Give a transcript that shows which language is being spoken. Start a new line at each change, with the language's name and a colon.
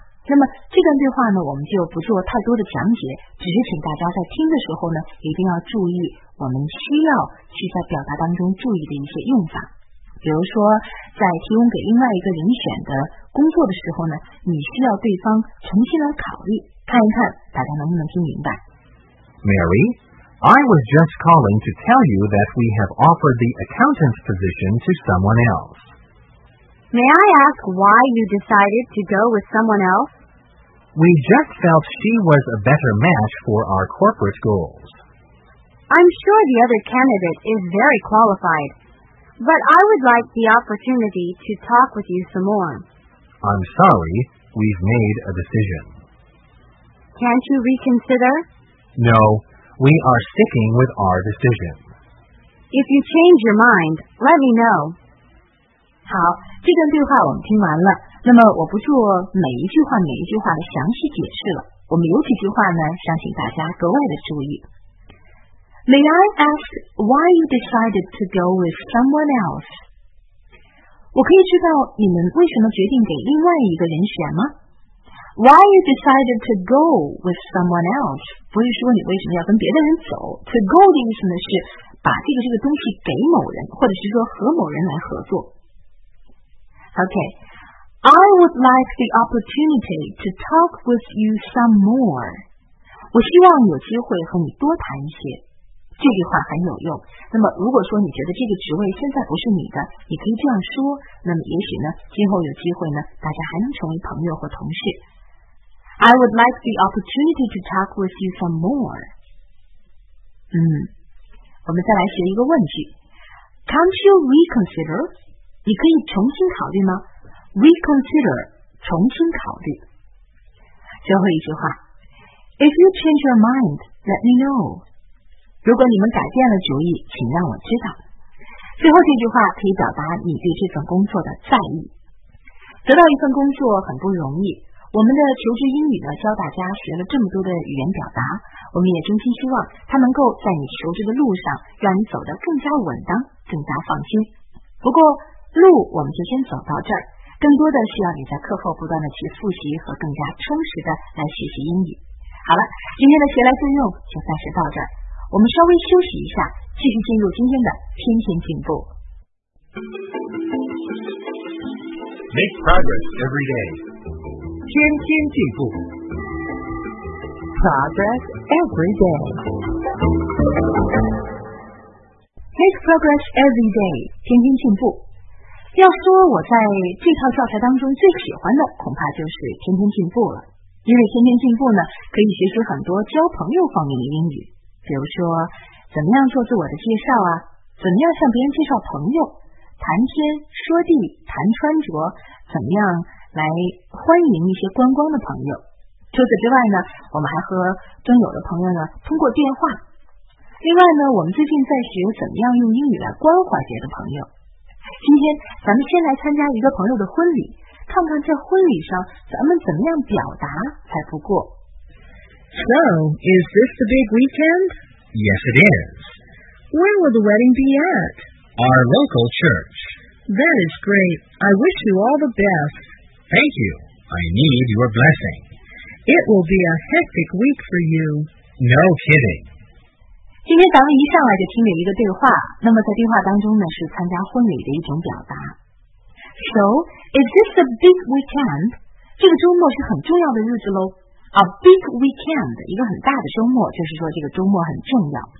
Chinese: 那么这段对话呢，我们就不做太多的讲解，只是请大家在听的时候呢，一定要注意我们需要去在表达当中注意的一些用法。比如说，在提供给另外一个人选的工作的时候呢，你需要对方重新来考虑。看一看大家能不能听明白。
English: Mary, I was just calling to tell you that we have offered the accountant's position to someone else. May I ask why you decided to go with someone else? We just felt she was a better match for our corporate goals. I'm sure the other candidate is very qualified, but I would like the opportunity to talk with you some more. I'm sorry, we've made a decision. Can't you reconsider? No, we are sticking with our decision. If you change your mind, let me know.
Chinese: 好，这段对话我们听完了。那么我不做每一句话每一句话的详细解释了。我们有几句话呢，想请大家格外的注意。
English: May I ask why you decided to go with someone else?
Chinese: 我可以知道你们为什么决定给另外一个人选吗？
English: Why you decided to go with someone else?
Chinese: 不是说你为什么要跟别的人走。To go 的意思呢是把这个东西给某人，或者是说和某人来合作。OK,
English: I would like the opportunity to talk with you some more.
Chinese: 我希望有机会和你多谈一些。这句话很有用。那么如果说你觉得这个职位现在不是你的，你可以这样说，那么也许呢，今后有机会呢，大家还能成为朋友或同事。
English: I would like the opportunity to talk with you some more.
Chinese: 我们再来学一个问句。
English: Can't you reconsider?
Chinese: 你可以重新考虑吗？ Reconsider, 重新考虑。最后一句话
English: If you change your mind, let me know.
Chinese: 如果你们改变了主意，请让我知道。最后这句话可以表达你对这份工作的在意。得到一份工作很不容易，我们的求职英语呢，教大家学了这么多的语言表达，我们也衷心希望它能够在你求职的路上让你走得更加稳当，更加放心。不过路我们就先走到这儿，更多的需要你在课后不断的去复习和更加充实的来学习英语。好了，今天的学来就用就暂时到这儿，我们稍微休息一下，继续进入今天的天天进步。
English: Make progress every day.
Chinese: 天天进步。
English: Progress every day. Make progress every day.
Chinese: 天天进步。要说我在这套教材当中最喜欢的恐怕就是天天进步了，因为天天进步呢，可以学习很多交朋友方面的英语，比如说怎么样做自我的介绍啊，怎么样向别人介绍朋友，谈天说地，谈穿着，怎么样来欢迎一些观光的朋友。除此之外呢，我们还和真友的朋友呢通过电话。另外呢，我们最近在学怎么样用英语来关怀别的朋友。今天咱们先来参加一个朋友的婚礼，看看在婚礼上咱们怎么样表达才不过。
English: So, is this the big weekend? Yes, it is. Where will the wedding be at? Our local church. That is great. I wish you all the best. Thank you. I need your blessing. It will be a hectic week for you. No kidding.
Chinese: 今天咱们一上来就听了一个对话，那么在对话当中呢，是参加婚礼的一种表达。
English: So, is this a big weekend?
Chinese: 这个周末是很重要的日子咯。
English: A big weekend,
Chinese: 一个很大的周末，就是说这个周末很重要。